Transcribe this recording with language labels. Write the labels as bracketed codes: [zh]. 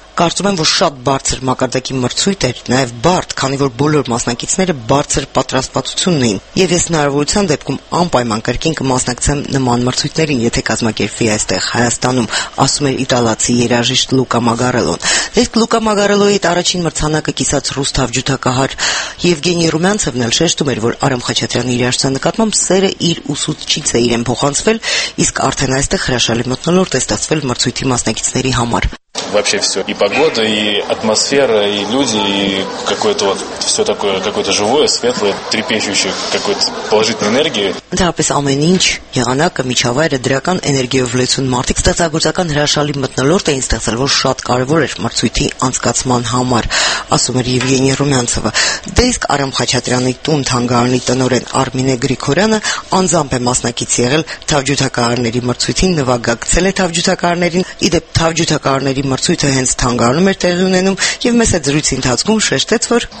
[hy] կարծում եմ, որ շատ բարձր մակարդակի մրցույթ էր, նաև բարդ, քանի որ բոլոր մասնակիցները բարձր պատրաստվածություն ունեին, եւ ես հնարավորության դեպքում անպայման կրկին կմասնակցեմ նման մրցույթներին, եթե կազմակերպվի այստեղ Հայաստանում, ասում էր իտալացի երաժիշտ Լուկա Մագարելոն։ Իսկ Լուկա Մագարելոյի առաջին մրցանակը կիսաց ռուս թավջութակահար Եվգենի Ռումյանցևն էլ շեշտում էր, որ Արամ Խաչատրյանի իր հարցը նկատմամբ սերը իր ուսուցչից է իրեն փոխանցվել, իսկ արդեն այստեղ հրաշալի մթնոլորտ է ստացվել մրցույթի մասնակիցների համար։ [ru] Вообще все, и погода, и атмосфера, и люди, и какое-то вот все такое, какое-то живое, светлое, трепещущее какой-то положительной энергии. [hy] Да, пес ամեն ինչ, եղանակը, միջավայրը, դրական էներգիայով լեցուն մարդիկ ստեղծագործական հրաշալի մթնոլորտ էին ստեղծել, որ շատ կարևոր էր մրցույթի անցկացման համար, ասում էր Եվգենի Ռումյանցևը։ Դե իսկ Արամ Խաչատրյանի տուն թանգարանի տնորեն Արմինե Գրիգորյանը անձամբ է մասնակից եղել թավջութակահարների մրցույթին, նվագակցել է թավջութակահարներին, իդեպ թավջութակահարների մրցույթը հենց թանգարանում էր տեղի ունենում, եւ մեզ այդ զրույցի ընթացքում շեշտեց, որ